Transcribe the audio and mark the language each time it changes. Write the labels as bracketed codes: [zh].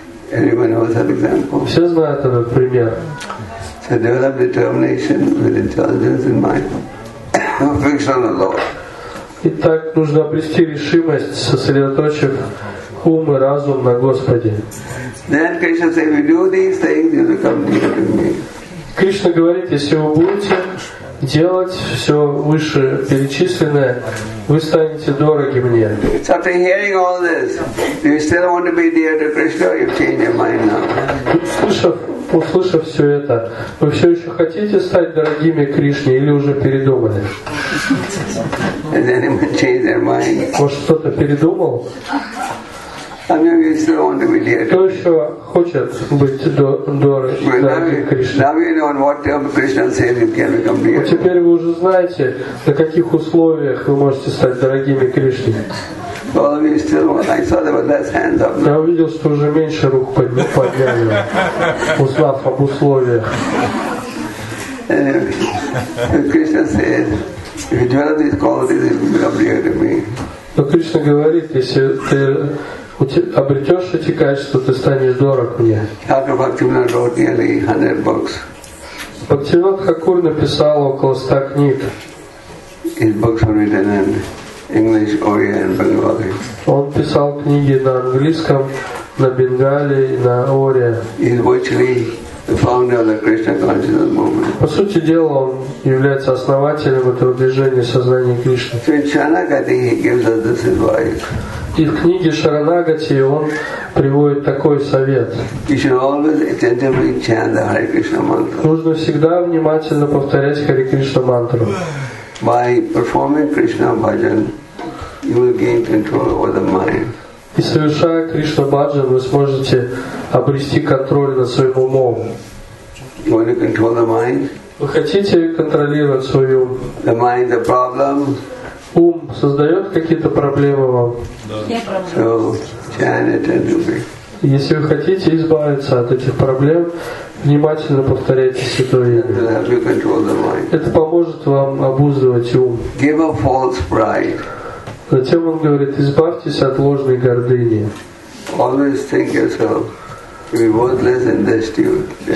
[en] Everyone knows that example. [ru] Все знают этот пример. [en] So develop determination with intelligence in mind. Fix on the law. [ru] Итак, нужно обрести решимость, сосредоточив ум и разум на Господе. [en] Then Krishna says, if you do these things, you become dear to me. [ru] Кришна говорит, если вы будете делать все выше перечисленное, вы станете дороги мне. [en] So after hearing all this, do you still want to be dear to Krishna, or you've changed your mind now? [ru] Услышав все это, вы все еще хотите стать дорогими Кришне или уже передумали? [en] Has anyone changed their mind? [ru] Может, кто-то передумал? Кто еще хочет быть дорогим Кришне? Теперь вы уже знаете, на каких условиях вы можете стать дорогими Кришне. Я увидел, что уже меньше рук подняли, узнав об условиях. Кришна говорит, если вы делаете эти качества, вы будете ближе к мне. Но Кришна говорит, если ты обретешь эти качества, ты станешь дорог мне. Бхактивинод Хакур написал около 100 книг. [en] His books were written in English, Oriya, and Bengali. [ru] Он писал книги на английском, на Бенгали и на Ория. [en] He's virtually the founder of the Krishna consciousness movement. [ru] По сути дела, он является основателем этого движения сознания Кришны. [en] So in Шаранагати he gives us this advice. [ru] И в книге Шаранагати он приводит такой совет. [en] You should always attentively chant the Hare Krishna mantra. [ru] Нужно всегда внимательно повторять Харе Кришна мантру. [en] By performing Krishna bhajan, you will gain control over the mind. [ru] И совершая Кришна Баджан, вы сможете обрести контроль над своим умом. [en] You want to control the mind? [ru] Вы хотите контролировать свой ум? [en] The mind, the problem? [ru] Ум создает какие-то проблемы вам? [en] Да. So, chant and do it. [ru] Если вы хотите избавиться от этих проблем, внимательно повторяйте святое имя. Это поможет вам обуздывать ум. [en] Give a false pride. [ru] Затем он говорит, избавьтесь от ложной гордыни. [en] Always think yourself to be worthless and destitute.